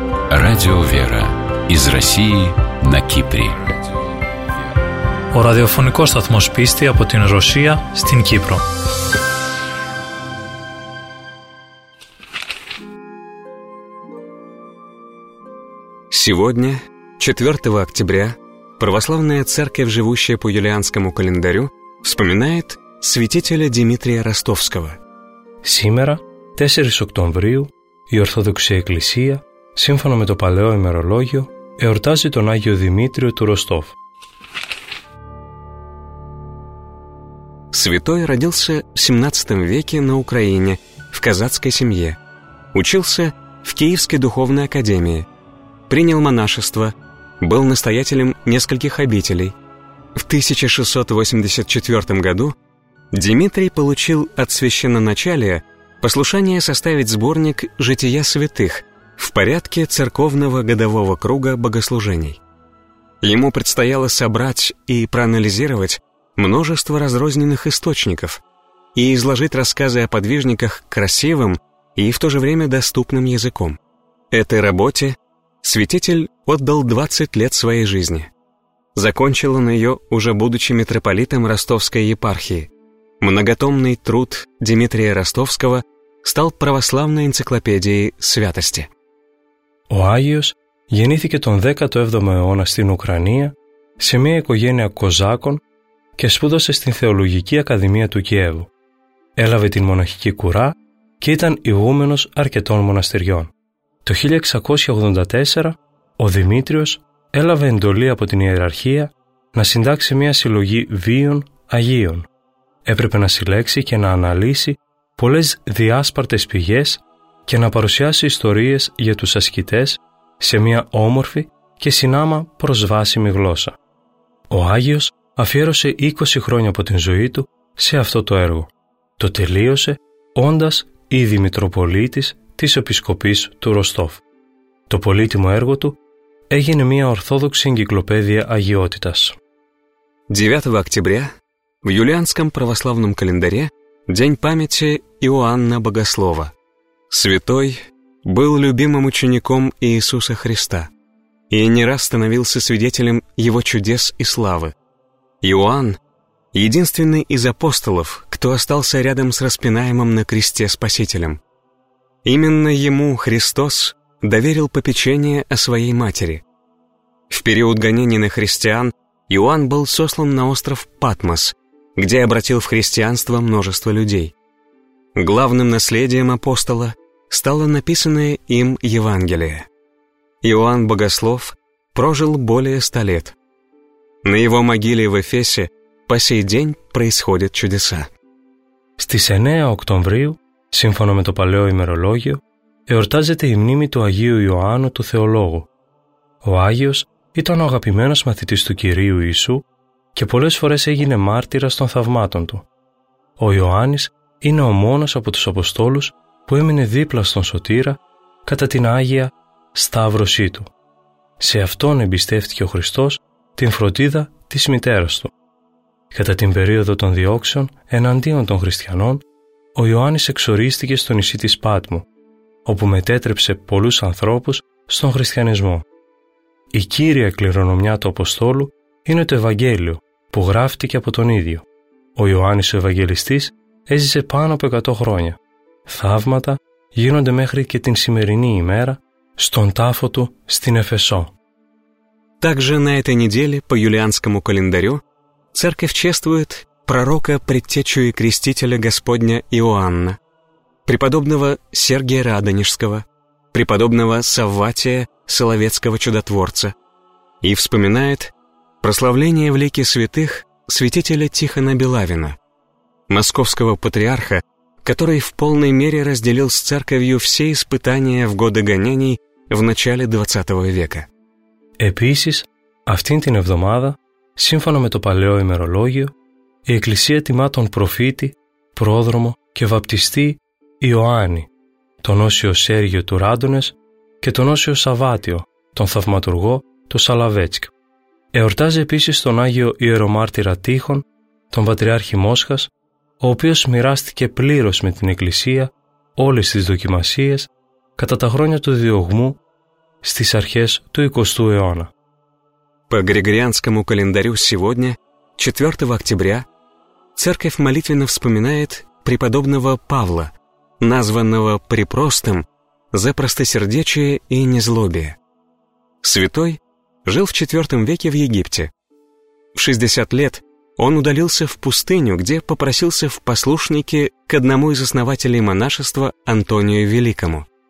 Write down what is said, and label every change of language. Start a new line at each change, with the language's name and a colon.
Russian: Радио «Вера» из России на Кипре.
Greek: Ο ραδιοφωνικός σταθμός πίστη από την Ρωσία στην Κύπρο.
Russian: Сегодня, 4 октября, православная церковь, живущая по юлианскому календарю, вспоминает святителя Дмитрия Ростовского. Сегодня, 4 октября,
Greek: η Ορθόδοξη Εκκλησία, σύμφωνα με το παλαιό ημερολόγιο, εορτάζει τον Άγιο Δημήτριο του Ροστόφ.
Russian: Святой родился в 17 веке на Украине, в казацкой семье. Учился в Киевской духовной академии. Принял монашество, был настоятелем нескольких обителей. В 1684 году Дмитрий получил от священноначалия послушание составить сборник «Жития святых» в порядке церковного годового круга богослужений. Ему предстояло собрать и проанализировать множество разрозненных источников и изложить рассказы о подвижниках красивым и в то же время доступным языком. Этой работе святитель отдал 20 лет своей жизни. Закончил он ее, уже будучи митрополитом Ростовской епархии. Многотомный труд Дмитрия Ростовского стал православной энциклопедией святости.
Greek: Ο Άγιος γεννήθηκε τον 17ο αιώνα στην Ουκρανία σε μια οικογένεια κοζάκων και σπούδασε στην Θεολογική Ακαδημία του Κιέβου. Έλαβε την μοναχική κουρά και ήταν ηγούμενος αρκετών μοναστηριών. Το 1684 ο Δημήτριος έλαβε εντολή από την Ιεραρχία να συντάξει μια συλλογή βίων Αγίων. Έπρεπε να συλλέξει και να αναλύσει πολλές διάσπαρτες πηγές και να παρουσιάσει ιστορίες για τους ασκητές σε μια όμορφη και συνάμα προσβάσιμη γλώσσα. Ο Άγιος αφιέρωσε 20 χρόνια από την ζωή του σε αυτό το έργο. Το τελείωσε όντας ήδη Μητροπολίτης της Επισκοπής του Ροστόφ. Το πολύτιμο έργο του έγινε μια ορθόδοξη εγκυκλοπαίδεια αγιότητας. 9 Οκτωβρία,
Russian: в юлианском православном календаре, день памяти Иоанна Богослова. Святой был любимым учеником Иисуса Христа и не раз становился свидетелем его чудес и славы. Иоанн – единственный из апостолов, кто остался рядом с распинаемым на кресте Спасителем. Именно ему Христос доверил попечение о своей матери. В период гонений на христиан Иоанн был сослан на остров Патмос, где обратил в христианство множество людей. Главным наследием апостола стало написанное им Евангелие. Иоанн Богослов прожил более 100 лет. На его могиле в Эфесе по сей день происходят чудеса.
Greek: Στις 9 Οκτωβρίου, σύμφωνα με το παλαιό ημερολόγιο, εορτάζεται η μνήμη του Αγίου Ιωάννου του Θεολόγου. Ο Άγιος ήταν ο αγαπημένος μαθητής του Κυρίου Ιησού και πολλές φορές έγινε μάρτυρας των θαυμάτων του. Ο Ιωάννης είναι ο μόνος από τους Αποστόλους που έμεινε δίπλα στον Σωτήρα κατά την Άγια Σταύρωσή του. Σε αυτόν εμπιστεύτηκε ο Χριστός την φροντίδα της μητέρας του. Κατά την περίοδο των διώξεων εναντίον των χριστιανών, ο Ιωάννης εξορίστηκε στο νησί της Πάτμου, όπου μετέτρεψε πολλούς ανθρώπους στον χριστιανισμό. Η κύρια κληρονομιά του Αποστόλου είναι το Ευαγγέλιο που γράφτηκε από τον ίδιο. Ο Ιωάννης ο Ευαγγελιστής έζησε πάνω από 100 χρόνια. Θαύματα γίνονται μέχρι και την σημερινή ημέρα στον τάφο του στην Εφεσό.
Russian: Также на этой неделе по юлианскому календарю церковь чествует пророка, предтечу и крестителя Господня Иоанна, преподобного Сергия Радонежского, преподобного Савватия, Соловецкого чудотворца, и вспоминает прославление в лике святых святителя Тихона Белавина, московского патриарха, который в полной мере разделил с церковью все испытания в годы гонений в начале 20 века.
Greek: Επίσης, αυτήν την εβδομάδα, σύμφωνα με το παλαιό ημερολόγιο, η Εκκλησία τιμά τον προφήτη, πρόδρομο και βαπτιστή Ιωάννη, τον Όσιο Σέργιο του Ράντονες και τον Όσιο Σαββάτιο, τον θαυματουργό του Σαλαβέτσκ. Εορτάζει επίσης τον Άγιο Ιερομάρτυρα Τείχων, τον Πατριάρχη Μόσχας, ο οποίος μοιράστηκε πλήρως με την Εκκλησία όλες τις δοκιμασίες κατά τα χρόνια του διωγμού στις αρχές του 20ου αιώνα.
Russian: По Григорианскому календарю сегодня, 4 октября, церковь молитвенно вспоминает преподобного Павла, названного Препростым за простосердечие и незлобие. Святой жил в IV веке в Египте. В 60 лет он удалился в пустыню, где попросился в послушники к одному из основателей монашества Антонию Великому.